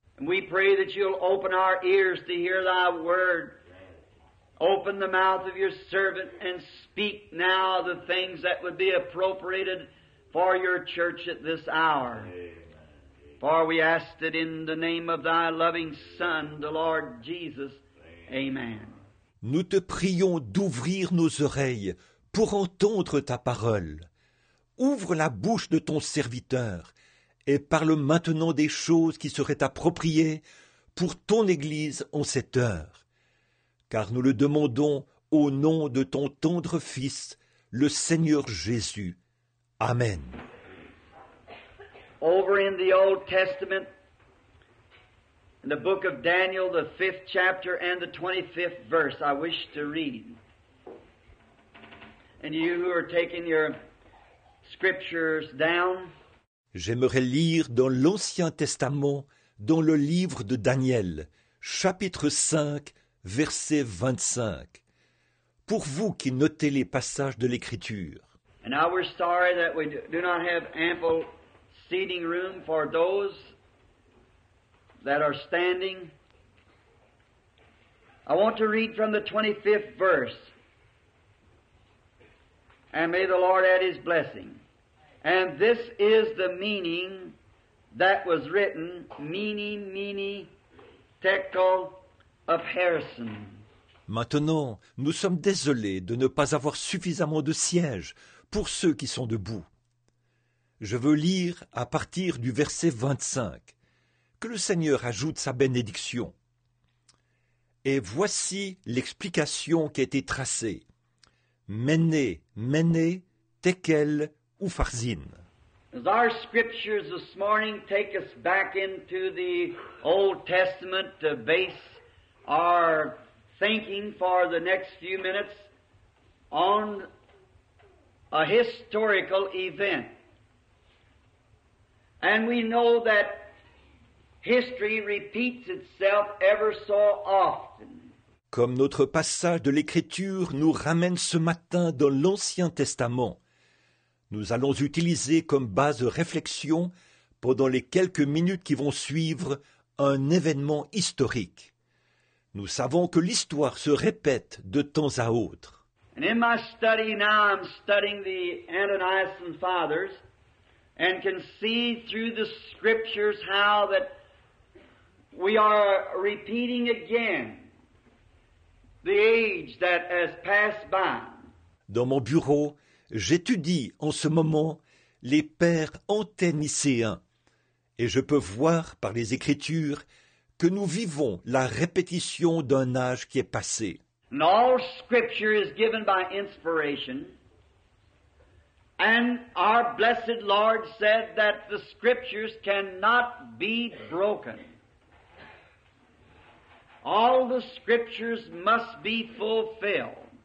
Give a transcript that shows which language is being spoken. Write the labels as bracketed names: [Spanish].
[English] We pray that you'll open our ears to hear thy word. Open the mouth of your servant and speak now the things that would be appropriated for your church at this hour. For we ask it in the name of thy loving Son, the Lord Jesus. Amen. [French] Nous te prions d'ouvrir nos oreilles pour entendre ta parole. Ouvre la bouche de ton serviteur et parle maintenant des choses qui seraient appropriées pour ton Église en cette heure. Car nous le demandons au nom de ton tendre Fils, le Seigneur Jésus. Amen. [English] Over in the Old Testament, in the book of Daniel, the 5th chapter and the 25th verse, I wish to read. And you who are taking your scriptures down. [French] J'aimerais lire dans l'Ancien Testament, dans le livre de Daniel, chapitre 5, verset 25. Pour vous qui notez les passages de l'Écriture. [English] And now we're sorry that we do not have ample seating room for those that are standing. I want to read from the 25th verse. And may the Lord add his blessing. And this is the meaning that was written, Mene, Mene, Tekel, Upharsin. [French] Maintenant, nous sommes désolés de ne pas avoir suffisamment de sièges pour ceux qui sont debout. Je veux lire à partir du verset 25, que le Seigneur ajoute sa bénédiction. Et voici l'explication qui a été tracée. Mene, Mene, Tekel, Upharsin. [English] As our scriptures this morning take us back into the Old Testament to base our thinking for the next few minutes on a historical event. And we know that history repeats itself ever so often. [French] Comme notre passage de l'Écriture nous ramène ce matin dans l'Ancien Testament, nous allons utiliser comme base de réflexion, pendant les quelques minutes qui vont suivre, un événement historique. Nous savons que l'histoire se répète de temps à autre. [English] And in my study now, I'm studying the Ananias and Fathers, and can see through the scriptures how that we are repeating again the age that has passed by. [French] Dans mon bureau, j'étudie en ce moment les pères anténicéens et je peux voir par les Écritures que nous vivons la répétition d'un âge qui est passé. [English] And all scripture is given by inspiration. And our blessed Lord said that the scriptures cannot be broken. All the scriptures must be fulfilled.